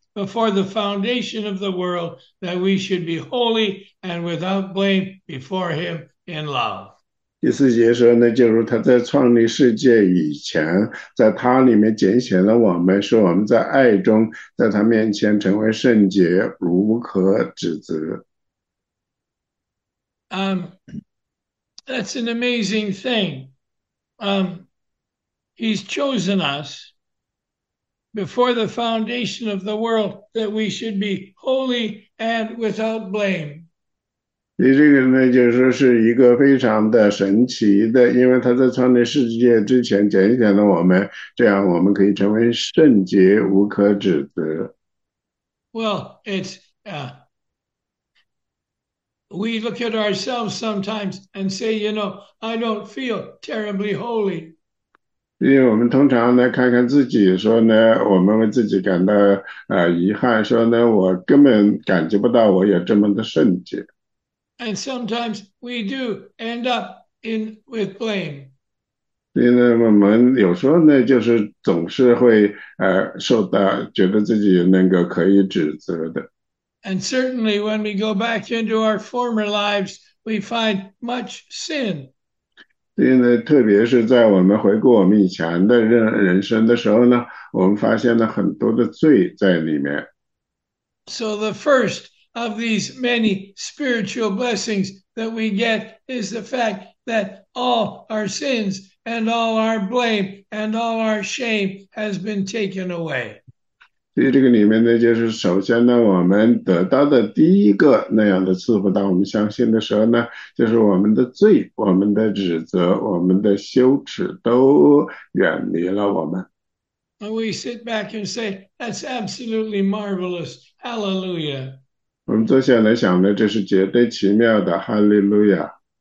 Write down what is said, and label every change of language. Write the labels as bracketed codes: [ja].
[en] Before the foundation of the world, that we should be holy and without blame before him in love. [zh] 第四节说呢，就如他在创立世界以前，在他里面拣选了我们，使我们在爱中，在他面前成为圣洁，无可指责。 [en] That's an amazing thing. He's chosen us. Before the foundation of the world, that we should be holy and without blame. [zh] 所以这个呢，就是说是一个非常的神奇的，因为他在创立世界之前拣选了我们，这样我们可以成为圣洁，无可指责。 [en] Well, we look at ourselves sometimes and say, you know, I don't feel terribly holy. [zh] 因为我们通常呢，看看自己，说呢，我们为自己感到遗憾，说呢，我根本感觉不到我有这么的圣洁。 [en] And sometimes we do end up in with blame. [zh] 所以呢，我们有时候呢，就是总是会受到觉得自己那个可以指责的。 [en] And certainly when we go back into our former lives, we find much sin. [zh] 所以呢，特别是在我们回顾我们以前的人生的时候呢，我们发现了很多的罪在里面。 [en] So the first of these many spiritual blessings that we get is the fact that all our sins and all our blame and all our shame has been taken away. [zh] 所以这个里面呢，就是首先呢，我们得到的第一个那样的赐福，当我们相信的时候呢，就是我们的罪、我们的指责、我们的羞耻都远离了我们。 [en] And we sit back and say, that's absolutely marvelous. Hallelujah. [zh] 我们坐下来想呢，这是绝对奇妙的，哈利路亚。